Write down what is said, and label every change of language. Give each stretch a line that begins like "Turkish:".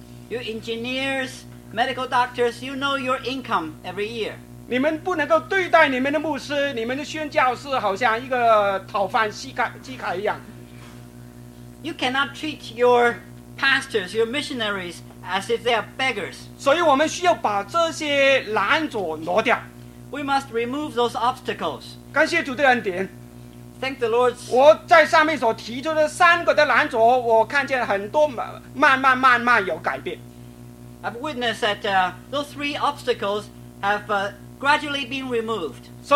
English: You engineers, medical doctors, you know your income every year.
Chinese: 你们不能够对待你们的牧师、你们的宣教士好像一个讨饭乞丐一样。
English: You cannot treat your pastors, your missionaries, as if they are beggars.
Chinese: 所以我们需要把这些拦阻挪掉。
English: We must remove those obstacles.
Chinese: 感谢主的恩典。
English: Thank the Lord.
Chinese: 我在上面所提出的三个的拦阻，我看见很多慢慢有改变。
English: I've witnessed that those three obstacles have gradually been removed.